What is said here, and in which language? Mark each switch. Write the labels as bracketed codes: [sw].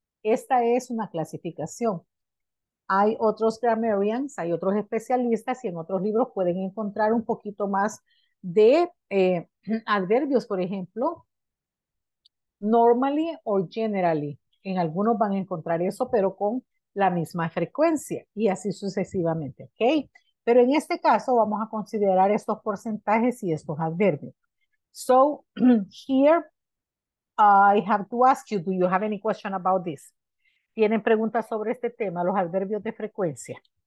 [es] Esta es una clasificación. Hay otros grammarians, hay otros especialistas y en otros libros pueden encontrar un poquito más de adverbios, por ejemplo, [en] normally or generally. [es] En algunos van a encontrar eso, pero con la misma frecuencia y así sucesivamente, ¿ok? Pero en este caso vamos a considerar estos porcentajes y estos adverbios. [en] So, here I have to ask you, do you have any question about this? [es] ¿Tienen preguntas sobre este tema, los adverbios de frecuencia?